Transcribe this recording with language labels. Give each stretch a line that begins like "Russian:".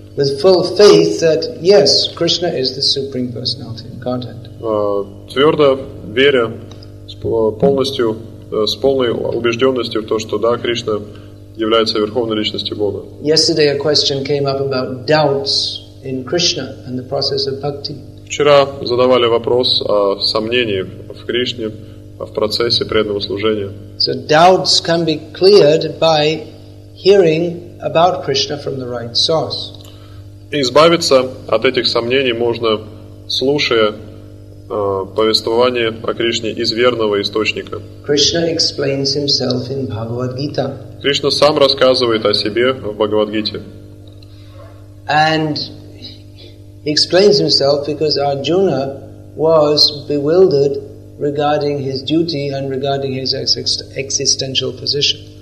English: With full faith that yes, Krishna is the supreme personality and Godhead.
Russian: Твердо веря, с полной убежденностью в то, что да, Кришна является верховной личностью Бога.
English: Yesterday a question came up about doubts in Krishna and the process of bhakti.
Russian: Вчера задавали вопрос о сомнении в Кришне, в процессе преданного служения.
English: So doubts can be cleared by hearing about Krishna from the right source.
Russian: Избавиться от этих сомнений можно, слушая повествование о Кришне из верного источника.
English: Krishna explains himself in Bhagavad Gita.
Russian: Кришна сам рассказывает о себе в Бхагавад-гите.
English: And he explains himself because Arjuna was bewildered regarding his duty and regarding his existential position.